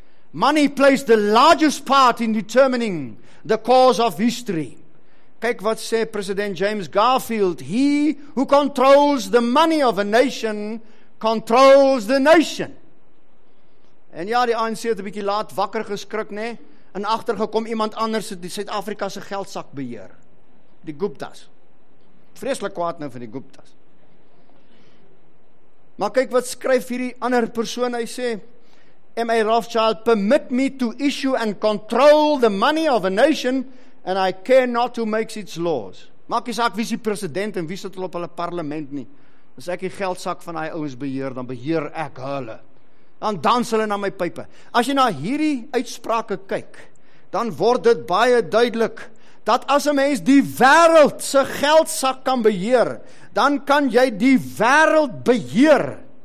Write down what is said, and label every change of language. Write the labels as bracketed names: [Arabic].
[English] Money plays the largest part in determining the course of history. [Afrikaans] Kyk wat sê [English] president James Garfield, he who controls the money of a nation, controls the nation. [Afrikaans] En ja, die ANC het 'n bietjie laat wakker geskrik, nê, en agtergekom iemand anders het die Suid-Afrika se geldsak beheer. Die Guptas. Vreeslik kwaad nou vir die Guptas. Maar kyk wat skryf hierdie ander persoon, hy sê, M.A. [English] Rothschild, permit me to issue and control the money of a nation, and I care not who makes its laws. [Afrikaans] Maak jy saak, wie is die president en wie sit hulle op hulle parlement nie? As ek die geldsak van die ouens beheer, dan beheer ek hulle. Dan dans hulle na my pype. As jy na hierdie uitsprake kyk, dan word dit baie duidelik, dat as 'n mens die wêreld se geldsak kan beheer, dan kan jy die wêreld beheer.